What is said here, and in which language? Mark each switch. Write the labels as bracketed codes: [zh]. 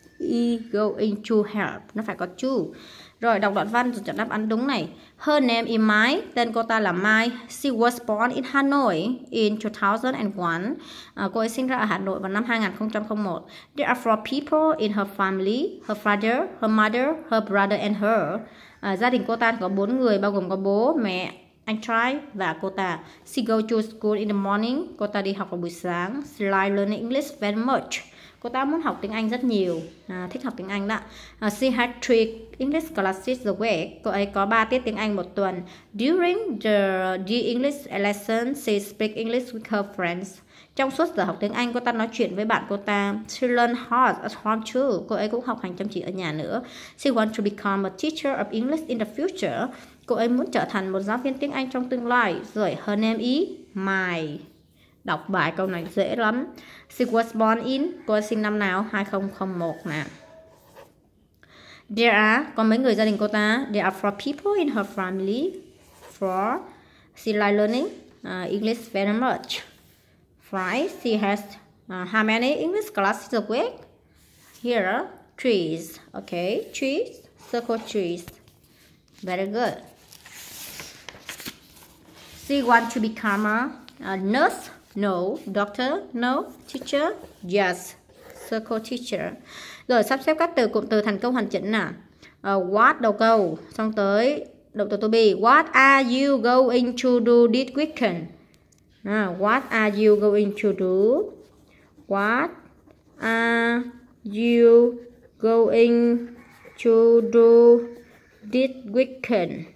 [en] E going to help. [vi] Nó phải có to. Rồi đọc đoạn văn rồi chọn đáp án đúng này. [en] Her name is Mai. [vi] Tên cô ta là Mai. [en] She was born in Hanoi in 2001. [vi] Cô ấy sinh ra ở Hà Nội vào năm 2001. [en] There are 4 people in her family. Her father, her mother, her brother and her. [vi] Gia đình cô ta có 4 người, bao gồm có bố, mẹ, anh trai và cô ta. [en] She goes to school in the morning. [vi] Cô ta đi học vào buổi sáng. [en] She likes learning English very much. [vi] Cô ta muốn học tiếng Anh rất nhiều. Thích học tiếng Anh đó. [en] She had 3 English classes a week. [vi] Cô ấy có 3 tiết tiếng Anh một tuần. [en] During the English lesson, she speaks English with her friends. [vi] Trong suốt giờ học tiếng Anh, cô ta nói chuyện với bạn cô ta. [en] She learned hard at home too. [vi] Cô ấy cũng học hành chăm chỉ ở nhà nữa. [en] She wants to become a teacher of English in the future. [vi] Cô ấy muốn trở thành một giáo viên tiếng Anh trong tương lai. Rồi, [en] her name is Mai. [vi] Đọc bài câu này dễ lắm. [en] She was born in, [vi] cô ấy sinh năm nào? 2001 nè. [en] There are, [vi] có mấy người gia đình cô ta? [en] There are 4 people in her family. 4, she likes learning English very much. 5, she has how many English classes a week? Here, trees. Okay, trees, circle trees. Very good. She want to become a nurse? No. Doctor? No. Teacher? Yes. Circle teacher. [vi] Rồi sắp xếp các từ cụm từ thành câu hoàn chỉnh nào. What đầu câu, xong tới động từ to be. [en] What are you going to do this weekend? What are you going to do? What are you going to do this weekend?